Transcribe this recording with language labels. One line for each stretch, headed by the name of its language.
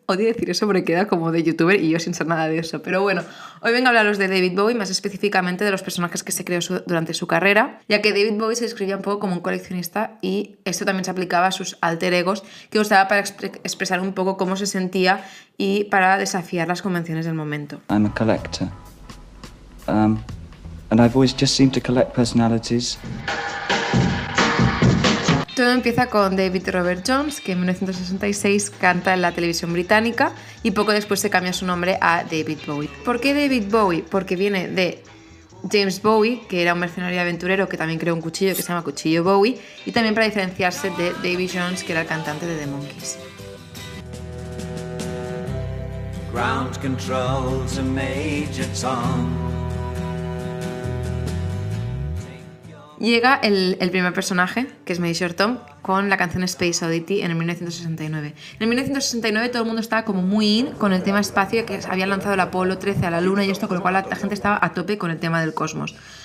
Spanish: Odio decir eso porque queda como de youtuber y yo sin ser nada de eso, pero bueno, hoy vengo a hablaros de David Bowie, más específicamente de los personajes que se creó durante su carrera, ya que David Bowie se describía un poco como un coleccionista y esto también se aplicaba a sus alter egos que usaba para expresar un poco cómo se sentía y para desafiar las convenciones del momento.
English: I'm a collector. And I've always just seemed to collect personalities.
Spanish: Todo empieza con David Robert Jones, que en 1966 canta en la televisión británica y poco después se cambia su nombre a David Bowie. ¿Por qué David Bowie? Porque viene de James Bowie, que era un mercenario aventurero que también creó un cuchillo que se llama Cuchillo Bowie, y también para diferenciarse de David Jones, que era el cantante de The Monkees.
English: Ground control to Major Tom.
Spanish: Llega el primer personaje, que es Major Tom, con la canción Space Oddity en 1969. En 1969 todo el mundo estaba como muy in con el tema espacio, que habían lanzado el Apolo 13 a la Luna y esto, con lo cual la gente estaba a tope con el tema del cosmos.